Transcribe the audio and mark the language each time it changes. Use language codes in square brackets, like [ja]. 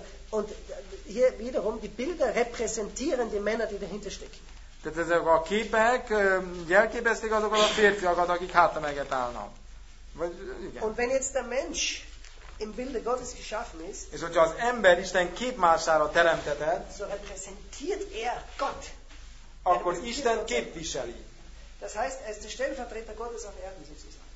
[de] Und hier wiederum die Bilder repräsentieren die Männer, die dahinter stecken. [hu] Tehát ezek a képek jelképezték azokat a férfiakat, akik hátra meget állnak. [de] Und wenn jetzt der Mensch im Bilde Gottes geschaffen ist, [hu] és hogyha az ember Isten képmására teremtetett, [de] so repräsentiert er Gott. [hu] Akkor Isten képviseli. [de] Das heißt, er ist der Stellvertreter Gottes auf Erden, sozusagen.